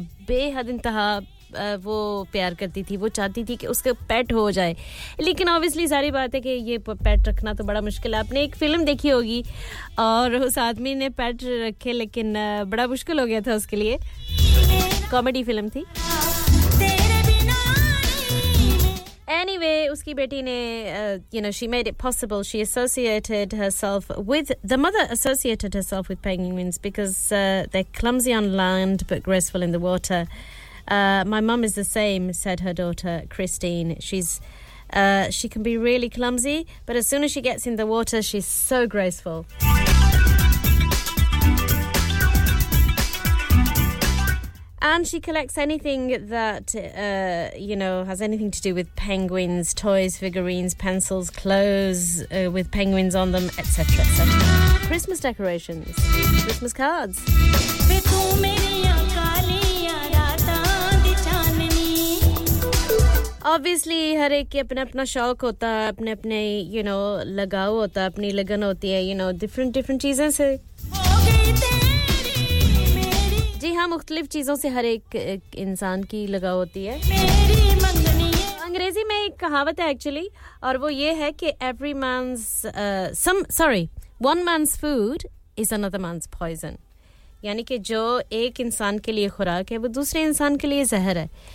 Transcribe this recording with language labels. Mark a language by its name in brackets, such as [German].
[Hindi] बेहद इंतहा वो प्यार करती थी वो चाहती थी कि उसका पेट हो जाए लेकिन ऑब्वियसली सारी बात है कि ये पेट रखना तो बड़ा मुश्किल है आपने एक फिल्म देखी होगी और उस आदमी ने पेट रखे लेकिन बड़ा मुश्किल हो गया था उसके लिए कॉमेडी फिल्म थी [English] Anyway, [Hindi] uski beti ne, you know, [English] she made it possible. She associated herself with, the mother associated herself with penguins because they're clumsy on land but graceful in the water. My mum is the same, said her daughter, Christine. She can be really clumsy, but as soon as she gets in the water, she's so graceful. And she collects anything that, you know, has anything to do with penguins, toys, figurines, pencils, clothes with penguins on them, etc., etc. Christmas decorations, Christmas cards. [Hindi] Obviously, हर एक के अपने अपना शौक होता है, अपने अपने you know लगाव होता है, अपनी लगन होती है, you know different चीजें से. जी हाँ मुख्तलिफ चीज़ों से हर एक इंसान की लगाव होती है अंग्रेजी में एक कहावत है एक्चुअली और वो ये है कि [English] every man's one man's food is another man's poison [Hindi] यानी कि जो एक इंसान के लिए खुराक है वो दूसरे इंसान के लिए जहर है